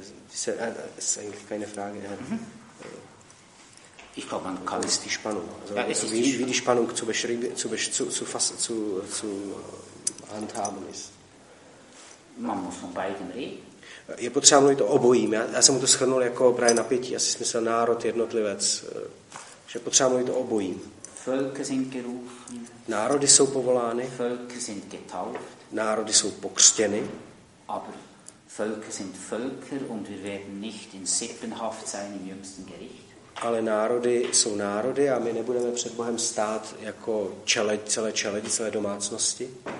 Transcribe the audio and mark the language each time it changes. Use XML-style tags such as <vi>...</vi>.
<de>Das ist eigentlich keine Frage. Ich glaube, man kann es die Spannung, also ja, es wie, die, wie die Spannung zu beschreiben, zu fassen, zu handhaben ist. Man muss von beiden reden.</de> <cs>Je potřeba mluvit o obojím. Já jsem mu to shrnul jako právě napětí. Já si myslel národ, jednotlivec. Že potřeba mluvit o obojím.</cs> <de>Völker sind gerufen.</de> <cs>Národy jsou povolány.</cs> <de>Völker sind getauft.</de> <cs>Národy jsou pokřtěny.</cs> <de>Aber Völker sind Völker und wir werden nicht in Sippenhaft sein im jüngsten Gericht.</de> <cs>Ale národy jsou národy a my nebudeme před Bohem stát jako celé čeledi, celé domácnosti.</cs>